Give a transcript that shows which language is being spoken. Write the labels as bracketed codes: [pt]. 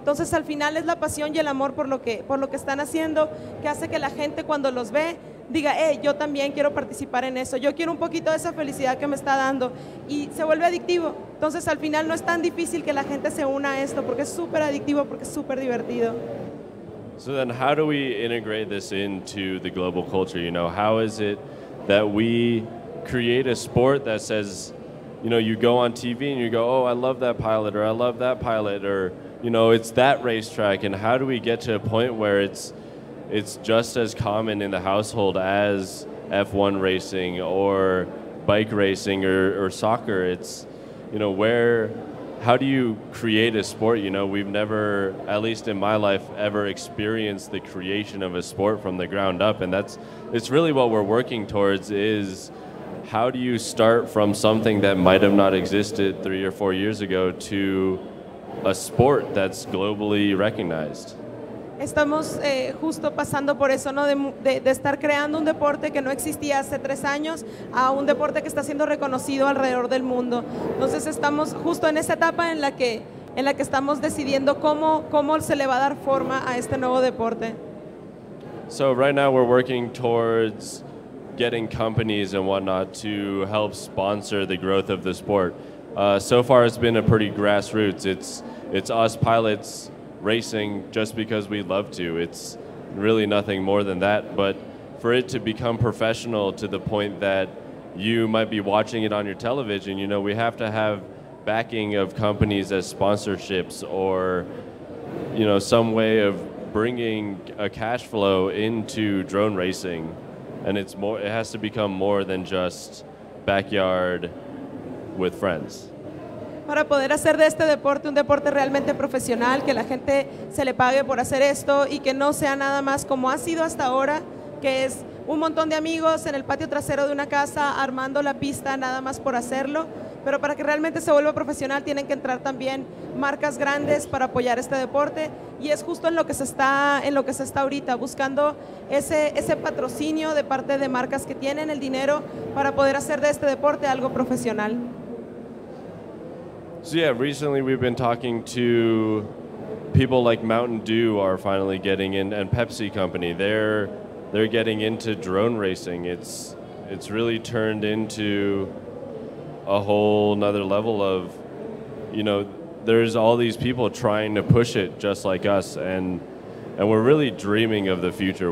[es] Entonces, al final es la pasión y el amor por lo que están haciendo que hace que la gente cuando los ve diga, yo también quiero participar en eso, yo quiero un poquito de esa felicidad que me está dando, y se vuelve adictivo. Entonces, al final no es tan difícil que la gente se una a esto, porque es súper adictivo, porque es súper divertido. [en] So then, how do we integrate this into the global culture? You know, how is it that we create a sport that says, you know, you go on TV and you go, oh, I love that pilot, or I love that pilot, or, you know, it's that racetrack, and how do we get to a point where it's just as common in the household as F1 racing or bike racing or soccer? It's, you know, where, how do you create a sport? You know, we've never, at least in my life, ever experienced the creation of a sport from the ground up. And that's, it's really what we're working towards, is how do you start from something that might have not existed 3 or 4 years ago to a sport that's globally recognized? [es] Estamos justo pasando por eso, ¿no? De estar creando un deporte que no existía hace 3 años a un deporte que está siendo reconocido alrededor del mundo. Entonces estamos justo en esa etapa en la que estamos decidiendo cómo se le va a dar forma a este nuevo deporte. [en] So right now we're working towards getting companies and whatnot to help sponsor the growth of the sport. So far it's been a pretty grassroots. It's us pilots racing just because we love to. It's really nothing more than that. But for it to become professional to the point that you might be watching it on your television, you know, we have to have backing of companies as sponsorships, or, you know, some way of bringing a cash flow into drone racing. And it's more, it has to become more than just backyard with friends. [es] Para poder hacer de este deporte un deporte realmente profesional, que la gente se le pague por hacer esto y que no sea nada más como ha sido hasta ahora, que es un montón de amigos en el patio trasero de una casa armando la pista nada más por hacerlo, pero para que realmente se vuelva profesional tienen que entrar también marcas grandes para apoyar este deporte, y es justo en lo que se está ahorita buscando ese patrocinio de parte de marcas que tienen el dinero para poder hacer de este deporte algo profesional. [en] So yeah, recently we've been talking to people like Mountain Dew are finally getting in, and Pepsi Company. They're getting into drone racing. It's really turned into a whole nother level of, you know, there's all these people trying to push it just like us, and we're really dreaming of the future.